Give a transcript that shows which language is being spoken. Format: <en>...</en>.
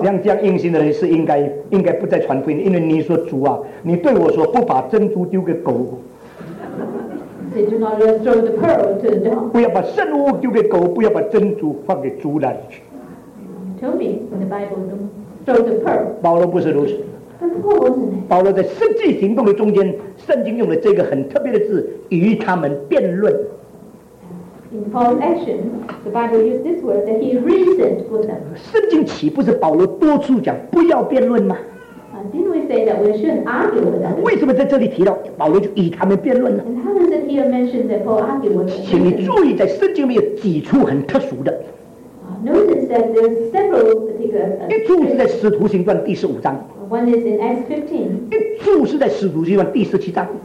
<zh>像这样硬心的人是应该不再传福音 因为你说主啊 你对我说不把珍珠丢给狗</zh> <en>They do not throw the pearl to the dog</en> <zh>不要把圣物丢给狗 不要把珍珠放给猪那里去</zh> <en>Tell me in the Bible don't throw the pearl</en> <zh>保罗不是如此 保罗在实际行动的中间 圣经用了这个很特别的字 与他们辩论</zh> <en>In Paul's action, the Bible used this word that he reasoned with them.</en> <zh>圣经岂不是保罗多处讲不要辩论吗?</zh> <en>Didn't we say that we shouldn't argue with them?</en> <zh>为什么在这里提到保罗就与他们辩论呢?</zh> <en>And how does it here mention that Paul argued with them?</en> <zh>请你注意在圣经里有几处很特殊的。</zh> <en>Notice that there are several particular.</en> <zh>一处是在使徒行传第15章。</zh> <en>One is in Acts 15.</en> <zh>一处是在使徒行传第17章。</zh>